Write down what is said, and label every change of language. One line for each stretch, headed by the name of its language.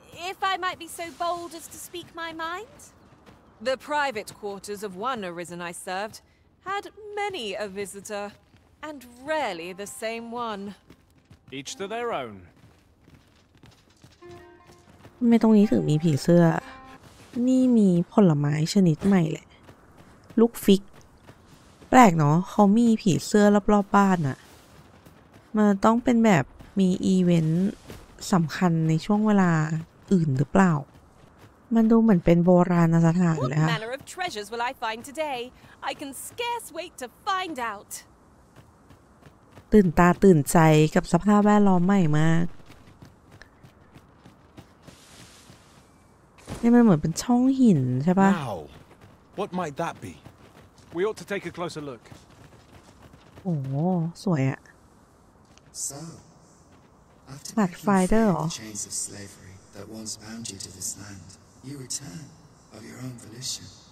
English: If I might be so bold as to speak my mind The private quarters of one arisen I served had many a visitor and rarely the same one Each to their own
Thai: ไม่ตรงนี้ถึงมีผีเสื้อนี่มีผลไม้ชนิดใหม่แหละลูกฟิกแปลกเนาะเขามีผีเสื้อรอบๆบ้านอะมันต้องเป็นแบบมีอีเวนต์สำคัญในช่วงเวลาอื่นหรือเปล่ามันดูเหมือนเป็นโบราณสถานเลยค่ะ
English: What manner of treasures will I find today? I can scarce wait to find out
Thai: ตื่นตาตื่นใจกับสภาพแวดล้อมใหม่มากนี่มันเหมือนเป็นช่องหินใช่ป่ะ
English: Wow. What might that be? We ought to take a closer look.
Thai: โอ้สวยอ่ะ
English: So, after making fair the chains of slavery that once bound you to this land, you return of your own volition.